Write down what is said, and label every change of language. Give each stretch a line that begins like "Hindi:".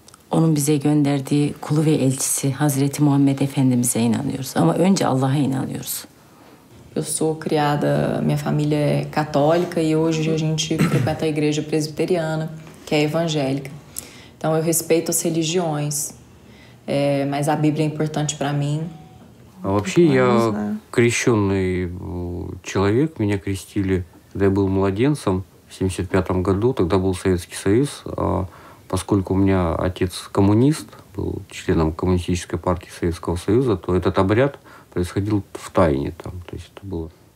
Turkish: Onun bize gönderdiği kulu ve elçisi Hazreti Muhammed Efendimiz'e inanıyoruz. Ama önce Allah'a inanıyoruz.
Portuguese: Eu sou criada, minha família é católica e hoje a gente frequenta a igreja presbiteriana, que é evangélica. Então eu respeito as religiões, mas a Bíblia é importante para mim.
Russian: А вообще я крещённый человек, меня крестили, когда я был младенцем в 75-м году, тогда был Советский Союз, а поскольку у меня отец коммунист, был членом Коммунистической партии Советского Союза, то этот обряд происходил в тайне там, то есть это было.